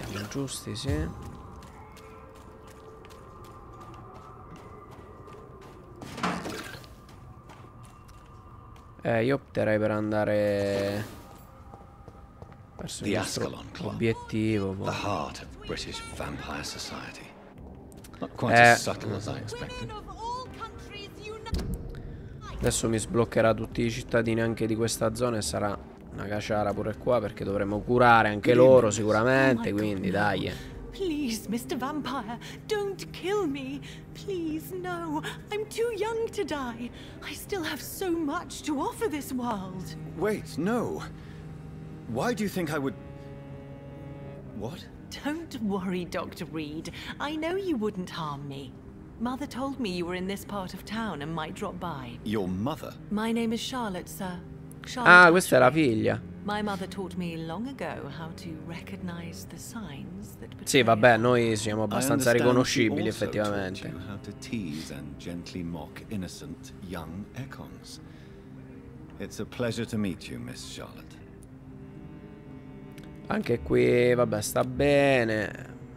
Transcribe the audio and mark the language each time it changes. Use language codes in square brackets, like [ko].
[it] Giusti, sì. Io opterei per andare verso il nostro obiettivo. [en] The heart of British Vampire Society. Not quite as subtle as I expected. [it] Adesso mi sbloccherà tutti i cittadini anche di questa zona e sarà una caciara pure qua, perché dovremo curare anche loro sicuramente, quindi dai. [en] Please, Mr. Vampire, don't kill me. Please, no. I'm too young to die. I still have so much to offer this world. Wait, no. Why do you think I would... What? Don't worry, Dr. Reed. I know you wouldn't harm me. Mother told me you were in this part of town and might drop by. Your mother? My name is Charlotte, sir. [it] Charlotte. Ah, questa è la figlia. [en] My mother taught me long ago how to recognize the signs that betray. [it] Sì, vabbè, noi siamo abbastanza riconoscibili, effettivamente. [en] How to tease and gently mock innocent young Ekons. It's a pleasure to meet you, Miss Charlotte. [it] Anche qui, vabbè, sta bene.